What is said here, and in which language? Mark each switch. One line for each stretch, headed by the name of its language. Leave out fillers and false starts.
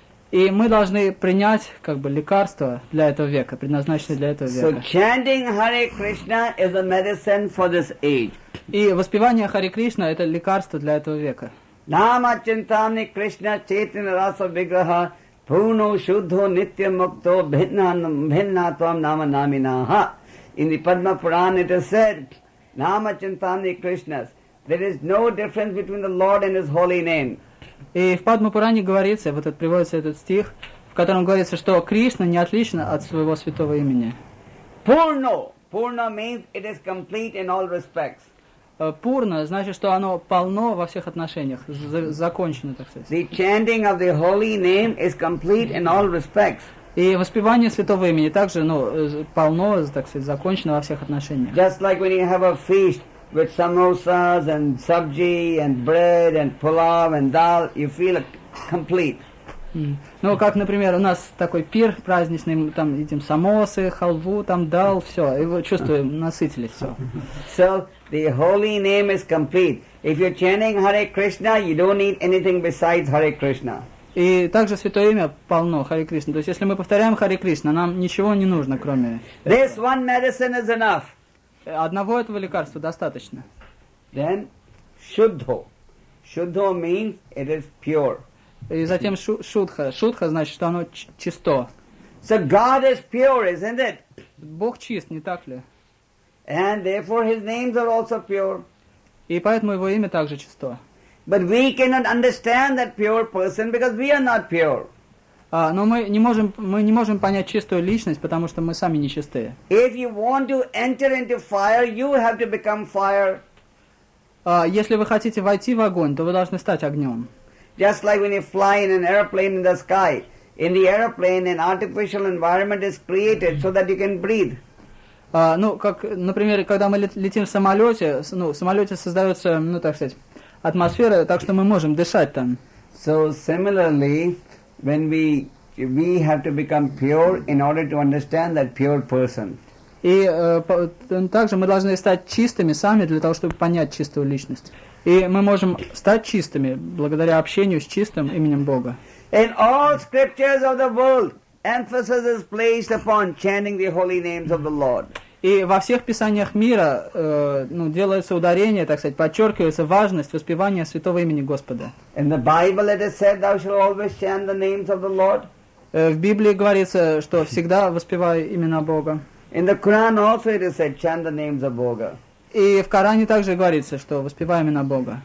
Russian: И мы должны принять как бы лекарство для этого века, предназначенное для этого века.
English: So chanting Hare Krishna is a medicine for this age.
Russian: И воспевание Хари Кришна это лекарство для этого века.
Sanskrit: Нама чинтами Кришна четина раса виграха пуно шуддхо нитья мукто бхиннатвам нама наминаха.
English: In the Padma Purana it is said,
Sanskrit: Nama Chintani Krishna,
English: there is no difference between the Lord and His holy name.
Russian: И в Падма Пуране говорится, вот это приводится этот стих, в котором говорится, что Кришна не отлична от своего святого имени.
English: Purno. Purno means it is complete in all respects.
Russian: Пурна значит, что оно полно во всех отношениях, закончено, так сказать.
English: The chanting of the holy name is complete in all respects.
Russian: И воспевание святого имени также, ну, полно, так сказать, закончено во всех отношениях.
English: Just like when you have a feast with samosas and sabji and bread and pulav and dal, you feel complete.
Russian: Ну, как, например, у нас такой пир праздничный, мы там едим самосы, халву, там дал, все, и мы чувствуем, насытились, все.
English: So, the holy name is complete. If you're chanting Hare Krishna, you don't need anything besides Hare Krishna.
Russian: И также святое имя полно, Хари Кришна. То есть, если мы повторяем Хари Кришна, нам ничего не нужно, кроме...
English: This one medicine is enough.
Russian: Одного этого лекарства достаточно.
English: Then, shuddho. Shuddho means it is pure.
Russian: И затем шудха. Шудха значит, что оно чисто.
English: So God is pure, isn't it?
Russian: Бог чист, не так ли?
English: And therefore his names are also pure.
Russian: И поэтому его имя также чисто.
English: But we cannot understand that pure person because we are not pure.
Russian: Но мы не можем понять чистую личность, потому что мы сами нечистые.
English: If you want to enter into fire, you have to become fire.
Russian: Если вы хотите войти в огонь, то вы должны стать огнем.
English: Just like when you fly in an airplane in the sky, in the airplane an artificial environment is created so that you can breathe.
Russian: Ну как, например, когда мы летим в самолете, ну в самолете создается, ну так сказать. Атмосфера, так что мы можем дышать там.
English: So similarly, when we have to become pure in order to understand that pure person.
Russian: И также мы должны стать чистыми сами для того, чтобы понять чистую личность. И мы можем стать чистыми благодаря общению с чистым именем Бога.
English: In all scriptures of the world, emphasis is placed upon chanting the holy names of the Lord.
Russian: И во всех писаниях мира ну, делается ударение, так сказать, подчеркивается важность воспевания святого имени Господа.
English: In the Bible it is said thou shalt always chant the names of the Lord.
Russian: В Библии говорится, что всегда воспевай имена Бога.
English: In the Quran also it is said chant the names of
Russian: Бога. И в Коране также говорится, что воспевай имена Бога.